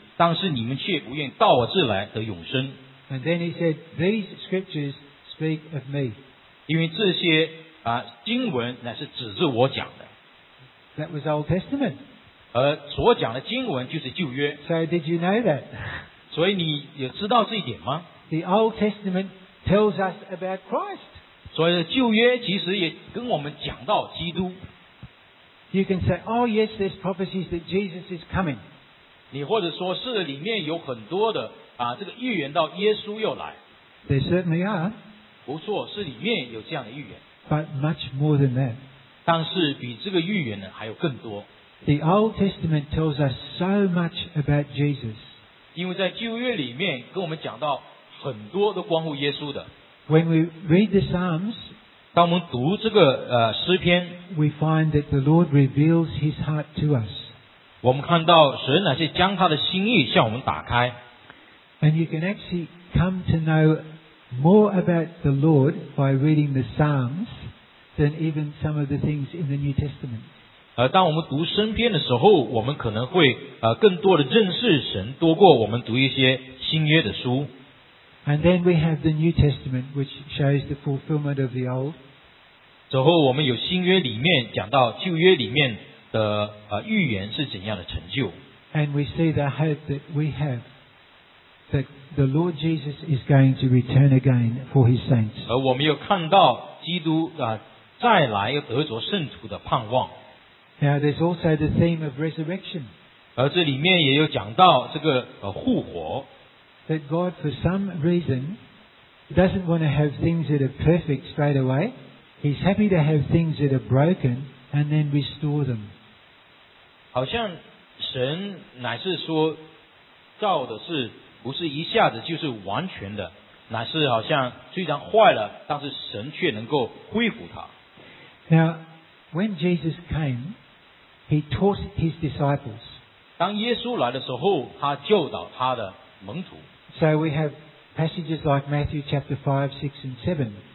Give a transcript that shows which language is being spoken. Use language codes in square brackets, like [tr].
[zh] 但是你们却不愿到我这来得永生。 [en] And then he said, These scriptures speak of me. [zh] 因为这些经文乃是指着我讲的。 [en] That was Old Testament. [zh] 而所讲的经文就是旧约。 [en] So did you know that? [zh] 所以你有知道这一点吗？ [en] The Old Testament tells us about Christ. [zh] 所以旧约其实也跟我们讲到基督。 [en] You can say, Oh yes, there's prophecies that Jesus is coming. [zh] 你或者说是里面有很多的这个预言到耶稣又来。 [en] They certainly are. [zh] 不错，是里面有这样的预言。 [en] But much more than that. [zh] 但是比这个预言呢还有更多。 [en] The Old Testament tells us so much about Jesus. [zh] 因为在旧约里面跟我们讲到很多都关乎耶稣的。 [en] When we read the Psalms, [zh] 当我们读这个诗篇 [en] we find that the Lord reveals his heart to us. [zh] 我们看到神乃是将他的心意向我们打开。 [en] And you can actually come to know more about the Lord by reading the Psalms than even some of the things in the New Testament. [zh] 当我们读诗篇的时候，我们可能会更多的认识神，多过我们读一些新约的书。 [en] And then we have the New Testament, which shows the fulfillment of the Old. [zh] 之后我们有新约里面讲到旧约里面的预言是怎样的成就。 [en] And we see the hope that we have that the Lord Jesus is going to return again for His saints. [zh] 而我们又看到基督再来又得着圣徒的盼望。 [en] Now there's also the theme of resurrection. [zh] 而这里面也有讲到这个复活。 [en] That God, for some reason, doesn't want to have things that are perfect straight away. He's happy to have things that are broken and then restore them. [zh] 好像神乃是说造的是不是一下子就是完全的，乃是好像虽然坏了，但是神却能够恢复它。 [en] Now, when Jesus came, he taught his disciples. [zh] 当耶稣来的时候，他教导他的门徒。 [en] So we have passages like Matthew chapter 5, 6 and 7.